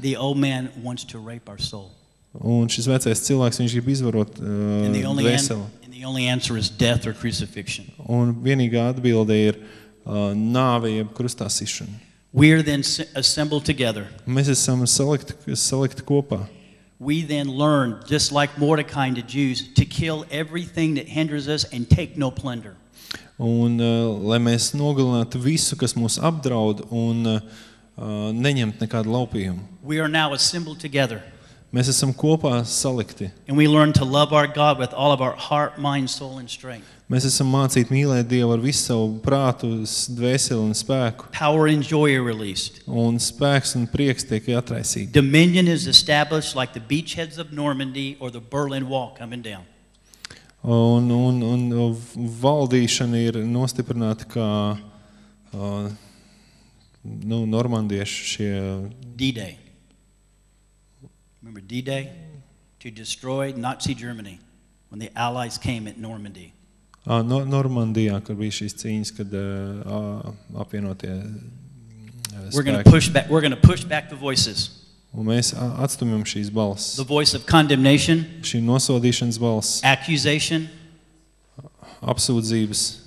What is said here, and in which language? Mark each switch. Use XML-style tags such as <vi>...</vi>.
<en>The old man wants to rape our soul.</en> <lv>Un šis vecais cilvēks, viņš grib izvarot dvēseli.</lv> <en>And the only answer is death or crucifixion.</en> <lv>Un vienīgā atbilde ir nāvi jeb krustā sišanu.</lv> <en>We are then assembled together.</en> <lv>Mēs esam salikti kopā.</lv> <en>We then learn, just like Mordecai to Jews, to kill everything that hinders us and take no plunder.</en> <lv>Un lai mēs nogalinātu visu, kas mūs apdraud, un neņemt nekādu laupījumu.</lv> <en>We are now assembled together.</en> <lv>Mēs esam kopā salikti.</lv> <en>And we learn to love our God with all of our heart, mind, soul and strength.</en> <lv>Mēs esam mācīt mīlēt Dievu ar visu savu prātu, dvēseli un spēku.</lv> <en>Power and joy are released.</en> <lv>Un spēks un prieks tiek atraisīti.</lv> <en>Dominion is established like the beachheads of Normandy or the Berlin Wall coming down.</en> <lv>Un valdīšana ir nostiprināta kā nu normandiešu šie</lv> <en>D-Day. Remember D-Day to destroy Nazi Germany when the Allies came at Normandy.</en> <lv>Normandijā, kur bija šīs cīņas, kad apvienotie</lv> <en>spēki. We're going to push back the voices.</en> <lv>Un mēs atstumjam šīs balss.</lv> <en>The voice of condemnation.</en> <lv>Šī nosodīšanas balss.</lv> <en>Accusation.</en> <lv>Apsūdzības.</lv>